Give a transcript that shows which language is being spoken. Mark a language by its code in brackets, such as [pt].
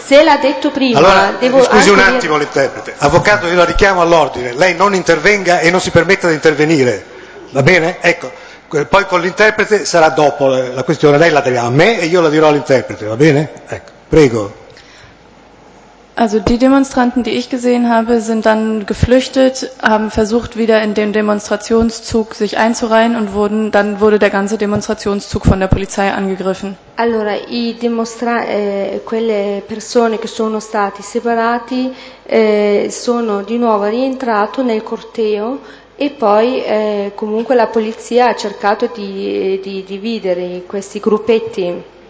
[it] Se l'ha detto prima, allora, devo. Scusi un attimo, l'interprete. Avvocato, io la richiamo all'ordine. Lei non intervenga e non si permetta di intervenire. Va bene? Ecco. Poi con l'interprete sarà dopo la questione. Lei la dirà a me e io la dirò all'interprete. Va bene? Ecco. Prego. [de] Also die Demonstranten, die ich gesehen habe, sind dann geflüchtet, haben versucht, wieder in den Demonstrationszug sich einzureihen und dann wurde der ganze Demonstrationszug von der Polizei angegriffen. [it] Allora, quelle persone che sono stati separati sono di nuovo rientrato nel corteo e poi comunque la polizia ha cercato di dividere questi gruppetti.